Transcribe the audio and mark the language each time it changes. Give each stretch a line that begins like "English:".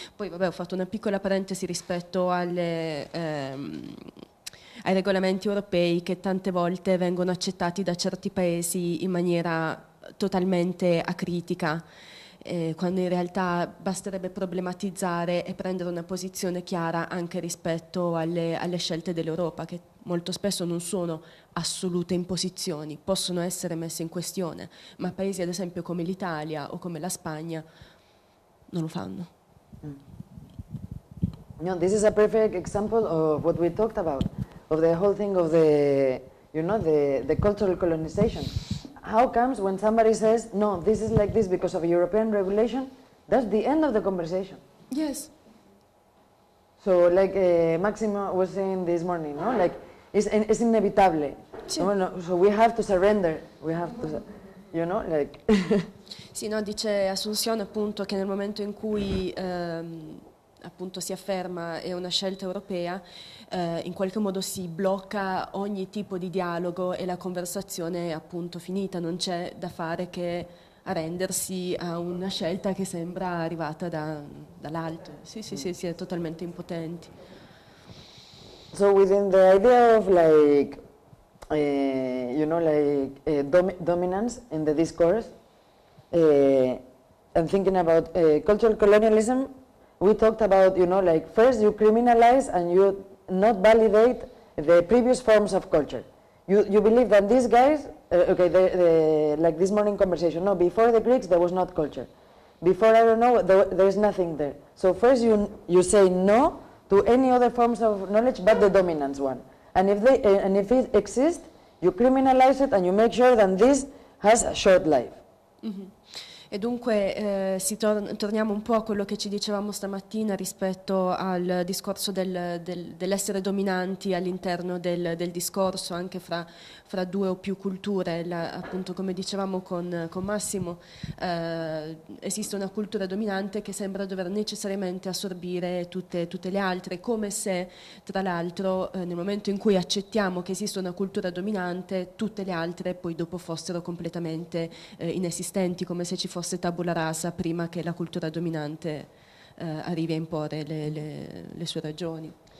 Italian: Poi vabbè, ho fatto una piccola parentesi rispetto ai regolamenti europei che tante volte vengono accettati da certi paesi in maniera totalmente acritica, quando in realtà basterebbe problematizzare e prendere una posizione chiara anche rispetto alle scelte dell'Europa, che molto spesso non sono assolute imposizioni, possono essere messe in questione, ma paesi ad esempio come l'Italia o come la Spagna non lo fanno.
English: No, this is a perfect example of what we talked about. Of the whole thing of the, you know, the cultural colonization. How comes when somebody says, no, this is like this because of European regulation, that's the end of the conversation. Yes. So like Maximo was saying this morning, no? Like, it's inevitable.
Spanish: Sí.
English: No, so we have to surrender, we have to, you know, like.
Italian: Sì, no, dice Assunzione appunto che nel momento in cui appunto si afferma è una scelta europea, in qualche modo si blocca ogni tipo di dialogo e la conversazione è appunto finita, non c'è da fare che arrendersi a una scelta che sembra arrivata dall'alto. Sì, sì, sì, si è totalmente impotenti.
English: So within the idea of like you know, like dominance in the discourse, I'm thinking about cultural colonialism. We talked about, you know, like first you criminalize and you not validate the previous forms of culture. You believe that these guys, okay, the like this morning conversation, no, before the Greeks there was not culture. Before, I don't know, there's nothing there. So first you say no to any other forms of knowledge but the dominant one. And if it exists, you criminalize it and you make sure that this has a short life. Mm-hmm.
Italian: E dunque torniamo un po' a quello che ci dicevamo stamattina rispetto al discorso dell'essere dominanti all'interno del discorso anche fra due o più culture. Appunto, come dicevamo con Massimo, esiste una cultura dominante che sembra dover necessariamente assorbire tutte le altre, come se tra l'altro nel momento in cui accettiamo che esiste una cultura dominante tutte le altre poi dopo fossero completamente inesistenti, come se ci fosse tabula rasa prima che la cultura dominante arrivi a imporre le sue ragioni.